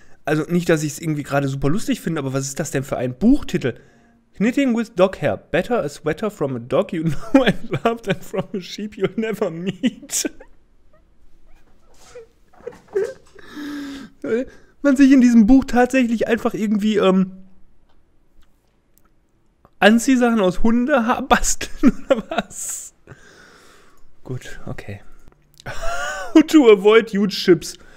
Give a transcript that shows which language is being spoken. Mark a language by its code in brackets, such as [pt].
[de] Also nicht, dass ich es irgendwie gerade super lustig finde, aber was ist das denn für ein Buchtitel? [en] Knitting with dog hair. Better a sweater from a dog you know and love than from a sheep you'll never meet. [de] Man sich in diesem Buch tatsächlich einfach irgendwie Anziehsachen aus Hundehaar basteln oder was? [en] Gut, okay. How to avoid huge chips.